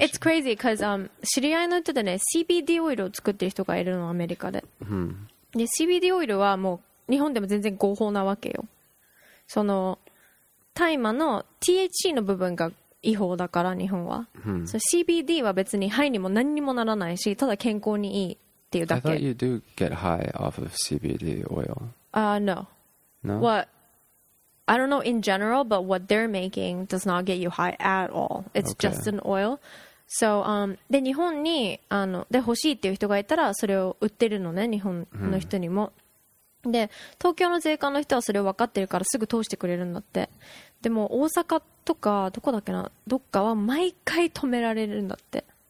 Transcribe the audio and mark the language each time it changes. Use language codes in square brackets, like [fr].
[en] It's crazy because [ja] 知り合いの人でね、CBD オイルを作ってる人がいるのアメリカで。で、CBD オイルはもう日本でも全然合法なわけよ。その大麻の THC の部分が違法だから日本は。 So CBD は別に肺にも何にもならないし、ただ健康にいいっていうだけ。 [en] I thought you do get high off of CBD oil. No. No. What? I don't know in general, but what they're making does not get you high at all. It's okay. just an oil. [ja] So, で、日本に、で、欲しいっていう人がいたら、それを売ってるのね、日本の人にも。 Hmm. で、東京の税関の人はそれを分かってるから、すぐ通してくれるんだって。でも、大阪とか、どこだっけな、どっかは毎回止められるんだって。